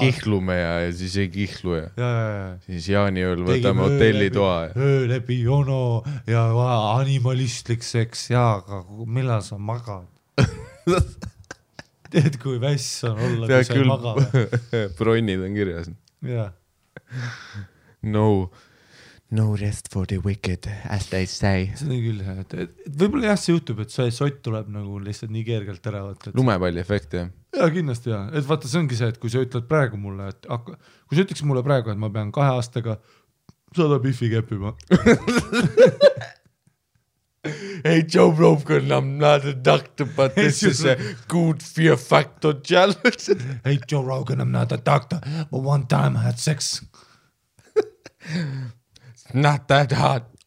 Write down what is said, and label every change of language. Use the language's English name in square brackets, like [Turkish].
[Estonian] Kihlume ja siis ei kihlu. Ja. Siis Jaani öel võtame hotelli toa. Ööläbi jono ja animalistlik seks. Ja, aga millal sa magad? Tead, kui väss on olla, kui sa ei maga. Bronnid on kirjas. Ja. No. [English] No rest for the wicked, as they say. [Estonian] See on küll, et võibolla jah, see juhtub, et see sott tuleb nagu lihtsalt nii kergelt ära võtta. Lumepalli efekt, jah. Jah, kindlasti jah. Et vaata, see ongi see, et kui sa ütled praegu mulle, et kui sa ütleks mulle praegu, et ma pean 2 aastaga saada bifi keppima. [English] Hey Joe Rogan, I'm not a doctor, but this is a good fear factor challenge. Hey Joe Rogan, I'm not a doctor, but one time I had sex. Not that hard.